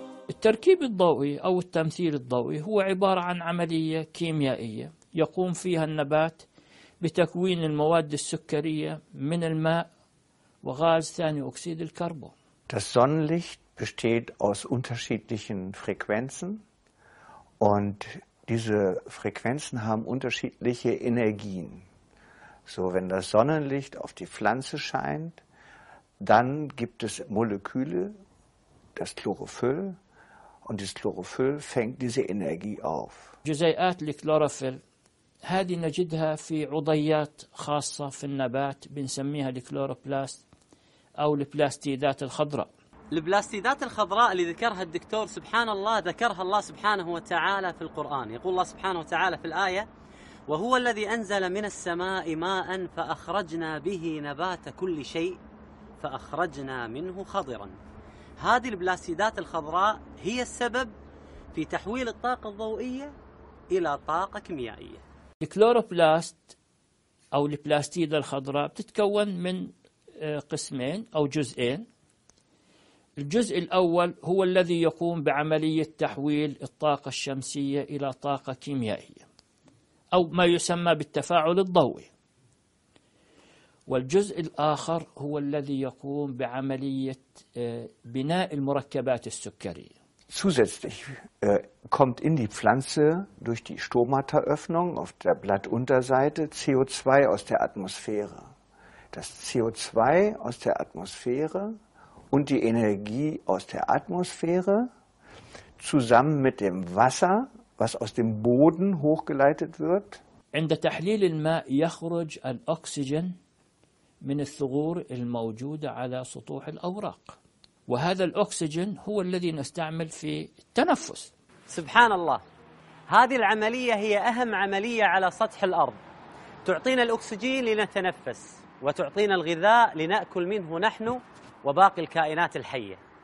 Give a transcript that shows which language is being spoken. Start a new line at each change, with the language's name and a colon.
Arabic: التركيب الضوئي أو التمثيل الضوئي هو عبارة عن عملية كيميائية يقوم فيها النبات بتكوين المواد السكرية من الماء وغاز ثاني أكسيد الكربون.
German: Das Sonnenlicht besteht aus unterschiedlichen Frequenzen und diese Frequenzen haben unterschiedliche Energien. So wenn das Sonnenlicht auf die Pflanze scheint, dann gibt es Moleküle, das Chlorophyll. Und das Chlorophyll fängt diese Energie auf.
Arabic: جزيئات الكلوروفيل هذه نجدها في عضيات خاصة في النبات بنسميها الكلوروبلاست أو البلاستيدات الخضراء. البلاستيدات الخضراء اللي ذكرها الدكتور سبحان الله ذكرها الله سبحانه وتعالى في القرآن. يقول الله سبحانه وتعالى في الآية وهو الذي أنزل من السماء ماء فأخرجنا به نبات كل شيء فأخرجنا منه خضرا. هذه البلاستيدات الخضراء هي السبب في تحويل الطاقة الضوئية إلى طاقة كيميائية. الكلوروبلاست أو البلاستيدة الخضراء بتتكون من قسمين أو جزئين. الجزء الأول هو الذي يقوم بعملية تحويل الطاقة الشمسية إلى طاقة كيميائية أو ما يسمى بالتفاعل الضوئي. والجزء الآخر هو الذي يقوم بعملية بناء المركبات السكرية.
German: Zusätzlich kommt in die Pflanze durch die Stomataöffnung auf der Blattunterseite CO2 aus der Atmosphäre. Das CO2 aus der Atmosphäre und die Energie aus der Atmosphäre zusammen mit dem Wasser, was aus dem Boden hochgeleitet wird.
Arabic: عند تحليل الماء يخرج الأكسجين من الثغور الموجودة على سطوح الأوراق، وهذا الأكسجين هو الذي نستعمل في التنفس. سبحان الله، هذه العملية هي أهم عملية على سطح الأرض، تعطينا الأكسجين لنتنفس وتعطينا الغذاء لنأكل منه نحن وباقي الكائنات الحية.